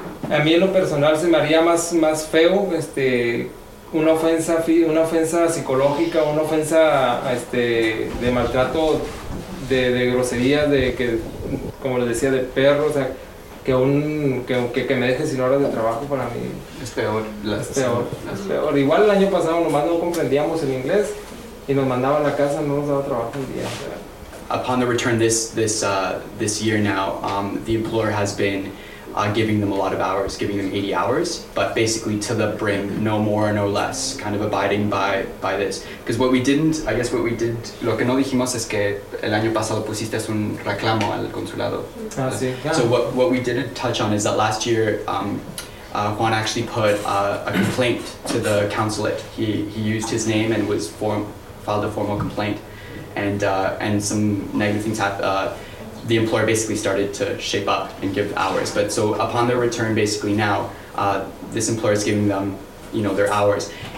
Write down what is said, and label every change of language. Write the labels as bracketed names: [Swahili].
[Spanish] A mí en lo personal se me haría más feo una ofensa psicológica, una ofensa de maltrato, de groserías, de que, como les decía, de perro, o sea, que me dejen sin horas de trabajo. Para mí es peor. Igual el año pasado nomás no comprendíamos el inglés y nos mandaban a la casa, no nos daba trabajo el día. [English] Upon the return this year now, the employer has been giving them a lot of hours, giving them 80 hours, but basically to the brim, no more, no less, kind of abiding by this. Because what we didn't, I guess what we did... [Spanish] Lo que no dijimos es que el año pasado pusiste un reclamo al consulado. Ah, sí. [English] Yeah. So what we didn't touch on is that last year, Juan actually put a complaint to the consulate. He used his name and filed a formal complaint, and some negative things happened. The employer basically started to shape up and give hours. But so upon their return, basically now, this employer is giving them, their hours.